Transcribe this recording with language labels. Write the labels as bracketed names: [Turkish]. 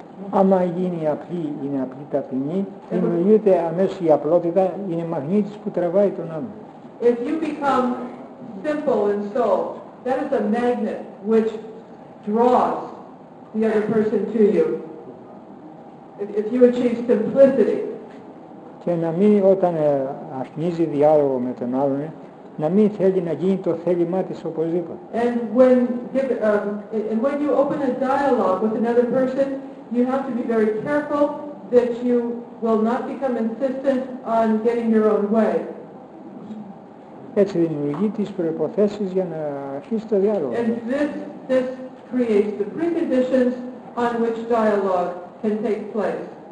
[Greek] Άμα γίνει απλή, είναι απλή ταπεινή, δημιουργείται αμέσως η απλότητα, είναι μαγνήτης που τραβάει τον άλλο. [English] If you become simple in soul, that is a magnet which draws the other person to you. If you achieve simplicity. [Greek] Και να μην όταν αρχίζει διάλογο με τον άλλον, να μην θέλει να γίνει το θέλημά της οπωσδήποτε. [English] And when you open a dialogue with another person, you have to be very careful that you will not become insistent on getting your own way. [Greek] Έτσι δημιουργεί τις προϋποθέσεις για να αρχίσει το διάλογο. [English] And this creates the preconditions on which dialogue can take place.